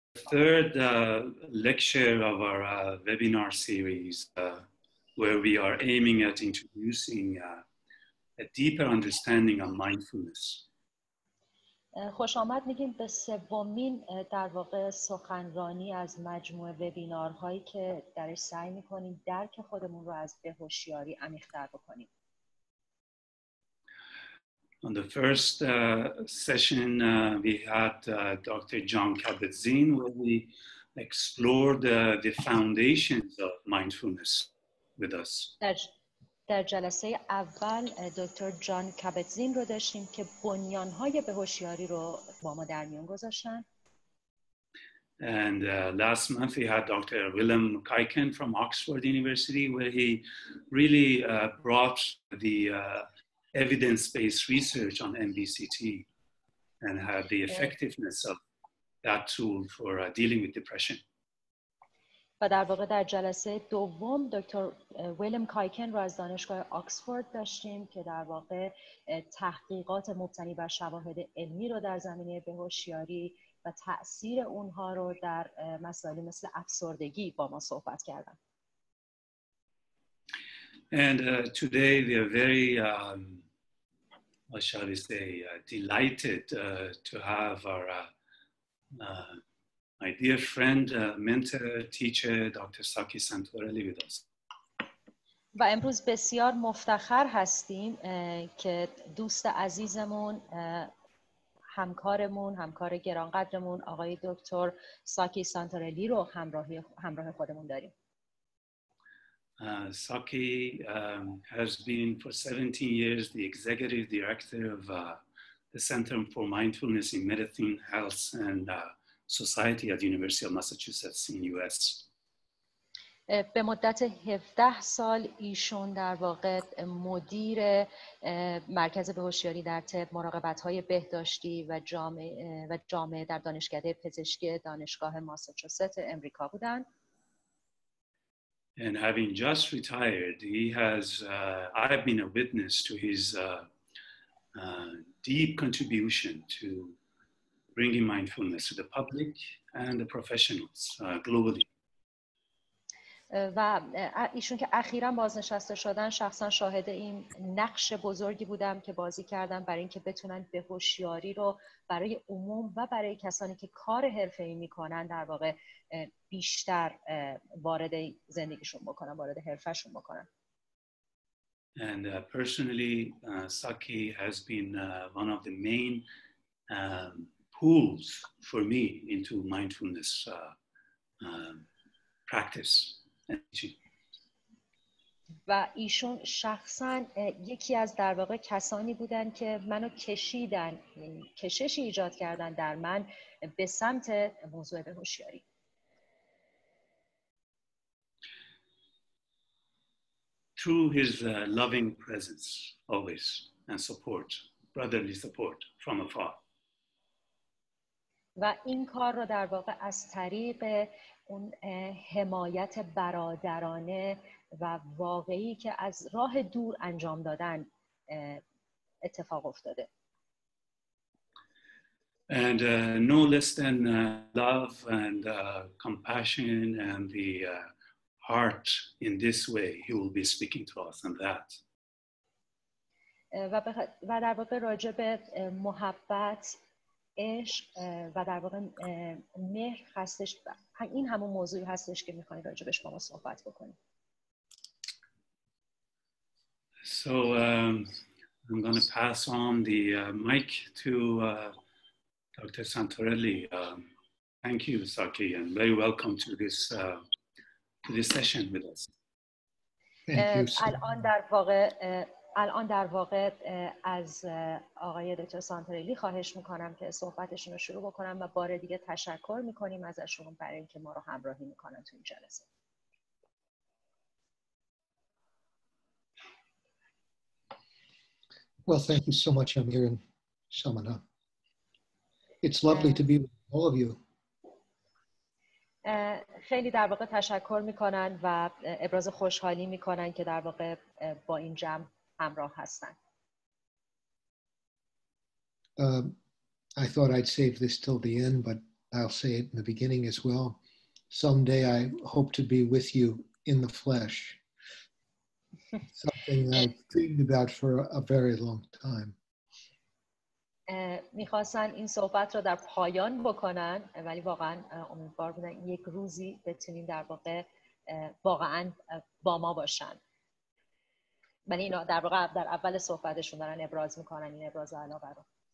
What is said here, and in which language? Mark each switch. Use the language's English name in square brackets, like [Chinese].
[English] third lecture of our webinar series, where we are aiming at introducing a deeper understanding of mindfulness. [Persian] خوش آمد میگیم به سومین در واقع سخنرانی از مجموعه وبینارهایی که درش سعی میکنیم درک خودمون رو از به هوشیاری عمیق‌تر بکنیم. [English] On the first session we had Dr. John Kabat-Zinn where we explored the foundations of mindfulness with us. [Persian] در جلسه اول دکتر جان کابت‌زین رو داشتیم که بنیان‌های بهوشیاری رو با ما در میون گذاشتن. [English] And last month we had Dr. Willem Kuyken from Oxford University where he really brought the evidence-based research on MBCT and had the effectiveness of that tool for dealing with depression. [Persian] و در واقع در جلسه دوم دکتر ویلم کایکن رو از دانشگاه آکسفورد داشتیم که در واقع تحقیقات مبتنی بر شواهد علمی رو در زمینه بهوشیاری و تأثیر اونها رو در مسائلی مثل افسردگی با ما صحبت کردن. [English] And today we are very, what shall we say, delighted to have our my dear friend, mentor, teacher, Dr. Saki Santorelli with us. [Persian] و امروز بسیار مفتخر هستیم که دوست عزیزمون همکارمون همکار گرانقدرمون آقای دکتر ساکی سانتورلی رو همراه خودمون داریم. [English] Saki has been for 17 years the executive director of the Center for Mindfulness in Medicine, Health and Society at the University of Massachusetts in US. [Persian] به مدت 17 سال ایشون در واقع مدیر مرکز بهوشیاری در طب مراقبت‌های بهداشتی و جامعه در دانشکده پزشکی دانشگاه ماساچوست امریکا بودند. [English] And having just retired, he has I've been a witness to his deep contribution to bringing mindfulness to the public and the professionals globally. [Persian] و ایشون که اخیراً بازنشسته شدن شخصاً شاهد این نقش بزرگی بودم که بازی کردن برای اینکه بتونن بهوشیاری رو برای عموم و برای کسانی که کار حرفه‌ای می‌کنن در واقع بیشتر وارد زندگیشون بکنن وارد حرفه‌شون بکنن. [English] And personally Saki has been one of the main pulls for me into mindfulness practice. [Persian] و ایشون شخصا یکی از در واقع کسانی بودن که منو کشیدن کششی ایجاد کردن در من به سمت موضوع بهوشیاری. [English] Through his loving presence always and support, brotherly support from afar. [Persian] و این کار رو در واقع از طریق اون حمایت برادرانه و واقعی که از راه دور انجام دادن اتفاق افتاده. [English] And no less than love and compassion and the heart in this way he will be speaking to us on that. [Persian] و در واقع راجع به محبت عشق و در واقع مهر هستش این همون موضوعی هستش که میخوایم راجبش با ما صحبت بکنیم. [English] So I'm going to pass on the mic to Dr. Santorelli. Thank you Saki and very welcome to this session with us. Thank you. [Persian] الان در واقع از آقای دکتر سانتورلی خواهش میکنم که صحبتشون رو شروع بکنم و بار دیگه تشکر میکنیم ازشون برای اینکه ما رو همراهی میکنن تو این جلسه. [English] Well, thank you so much, Amir and Shamana. It's lovely to be with all of you. [Persian] خیلی در واقع تشکر میکنن و ابراز خوشحالی میکنن که در واقع با این جمع همراه هستن. [English] I thought I'd save this till the end, but I'll say it in the beginning as well. Someday I hope to be with you in the flesh. Something that I've dreamed about for a very long time. [Persian] می‌خواستن این صحبت رو در پایان بکنن ولی واقعا امیدوار بودن یک روزی بتونین در واقع واقعا با ما باشن. ولی اینا در واقع در اول صحبتشون دارن ابراز میکنن این ابراز علاقه رو.